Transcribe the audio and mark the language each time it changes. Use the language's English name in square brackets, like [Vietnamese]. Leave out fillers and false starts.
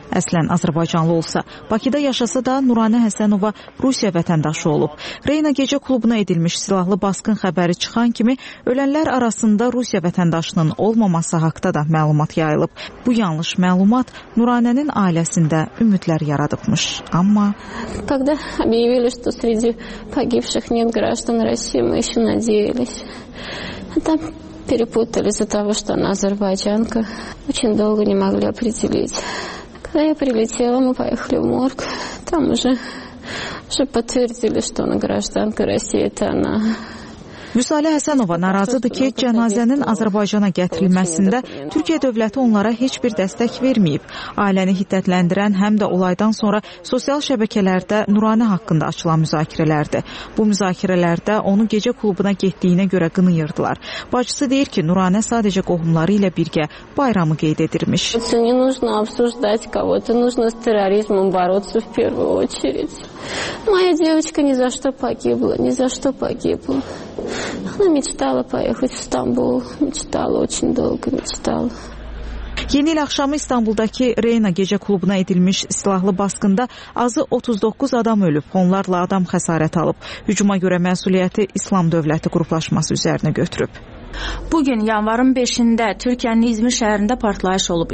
[Azerbaijani] Əslən Azərbaycanlı olsa, Bakıda yaşasa da Nuranə Həsənova Rusiya vətəndaşı olub. Reyna gecə klubuna edilmiş silahlı basqın xəbəri çıxan kimi ölənlər arasında Rusiya vətəndaşının olmaması olmaması haqda da məlumat yayılıb. Bu yanlış məlumat Nuranənin ailəsində ümidlər yaradıbmış. Amma [Russian] тогда объявили, что среди погибших нет граждан России, мы ещё надеялись. Там перепутали из-за того, что она азербайджанка. Очень долго не могли определить. Когда я прилетела, мы поехали в морг. Там уже подтвердили, что она гражданка России, это она. [Azerbaijani] Müsalə Həsənova narazıdır ki, cənazənin Azərbaycana gətirilməsində Türkiyə dövləti onlara heç bir dəstək verməyib. Ailəni hiddətləndirən həm də olaydan sonra sosial şəbəkələrdə Nuranə haqqında açılan müzakirələrdir. Bu müzakirələrdə onu gecə klubuna getdiyinə görə qınıyırdılar. Bacısı deyir ki, Nuranə sadəcə qohumları ilə birgə bayramı qeyd edirmiş. [Russian] Səni нужно обсуждать кого-то, нужно с терроризмом бороться в первую очередь. Моя девочка ни за что погибла, ни за что погибла. Она мечтала поехать в Стамбул, мечтала очень долго, мечтала. [Azerbaijani] Yeni il axşamı İstanbuldakı Reyna gecə klubuna edilmiş silahlı basqında azı 39 adam ölüb, onlarla adam xəsarət alıb. Hücuma görə məsuliyyəti İslam dövləti qruplaşması üzərinə götürüb. Bugün yanvarın 5-də Türkiyənin İzmir şəhərində partlayış olub.